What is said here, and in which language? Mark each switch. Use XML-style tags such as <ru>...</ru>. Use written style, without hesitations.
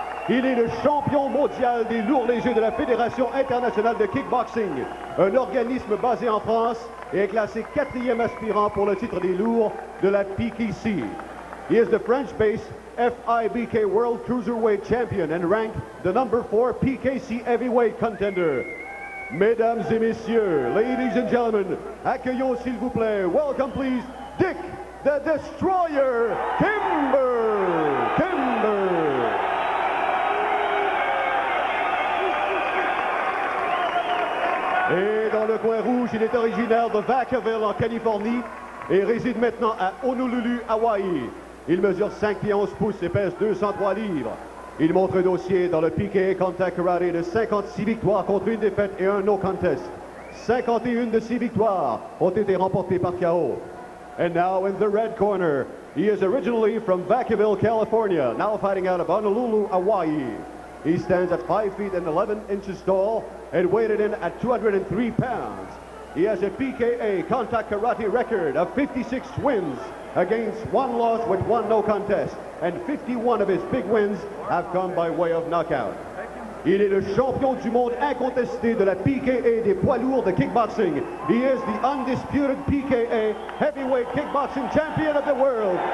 <fr>Il est le champion mondial des lourds légers de la Fédération internationale de kickboxing, un organisme basé en France et est classé quatrième aspirant pour le titre des lourds de la PKC.</fr> <en>He is the French-based FIBK World Cruiserweight Champion and ranked the number 4 PKC heavyweight contender.</en> <fr>Mesdames et messieurs,</fr> <en>ladies and gentlemen,</en> <fr>accueillons s'il vous plaît,</fr> <en>welcome please,</en> <fr>Dick the Destroyer, Kimber, Kimber. Et dans le coin rouge, il est originaire de Vacaville en Californie et réside maintenant à Honolulu, Hawaii. Il mesure 5 pieds 11 pouces et pèse 203 livres. Il montre un dossier dans le PKA Contact Karate de 56 victoires contre une défaite et un no contest. 51 de ces victoires ont été remportées par KO.</fr> <en>And now in the red corner, he is originally from Vacaville, California, now fighting out of Honolulu, Hawaii. He stands at 5 feet and 11 inches tall and weighted in at 203 pounds. He has a PKA Contact Karate record of 56 wins against one loss with one no contest, and 51 of his big wins have come by way of knockout.</en> <fr>Il est le champion du monde incontesté de la PKA des poids lourds de kickboxing.</fr> <en>He is the undisputed PKA heavyweight kickboxing champion of the world.</en>